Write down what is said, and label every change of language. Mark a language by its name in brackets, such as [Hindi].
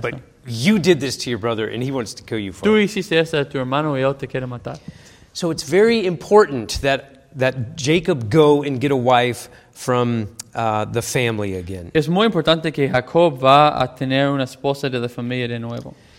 [English] But you did this to your brother and he wants to kill you for [Spanish] tú [English] it. [Spanish] Tú hiciste esto a tu hermano y él te quiere matar. [English] So it's very important that Jacob go and get a wife from the family again. [Spanish] Es muy importante que Jacob va a tener una esposa de la familia de nuevo.